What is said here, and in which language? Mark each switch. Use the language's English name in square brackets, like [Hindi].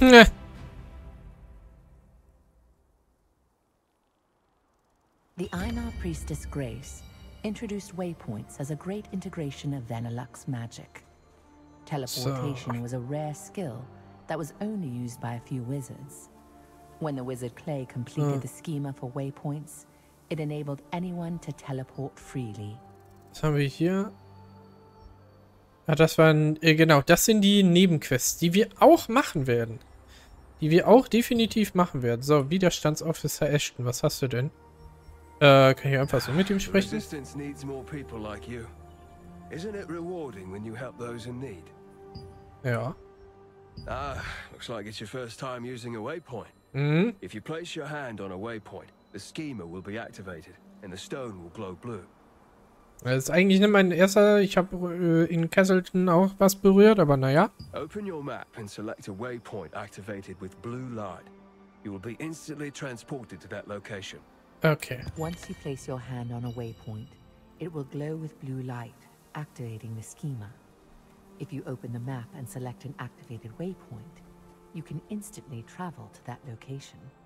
[English] The Einar Priestess Grace introduced waypoints as a great integration of Venelux magic. Teleportation was a rare skill that was only used by a few wizards. When the wizard Clay completed the schema for waypoints, it enabled anyone to teleport freely. [German] Was haben wir hier? Ja, das waren, genau, das sind die Nebenquests, die wir auch machen werden. Die wir auch definitiv machen werden. So, Widerstandsofficer Ashton, was hast du denn? Kann ich einfach so mit ihm sprechen? [English] Resistance needs more people like you. Isn't it rewarding when you help those in need? [German] Ja. [English] Ah, looks like it's your first time using a waypoint. If you place your hand on a waypoint, the schema will be activated and the stone will glow blue. [German] Das ist eigentlich nicht mein erster, ich habe in Castleton auch was berührt, aber naja. [English] Open your map and select a waypoint activated with blue light. You will be instantly transported to that location. Okay. Once you place your hand on a waypoint, it will glow with blue light, activating the schema. If you open the map and select an activated waypoint, you can instantly travel to that location.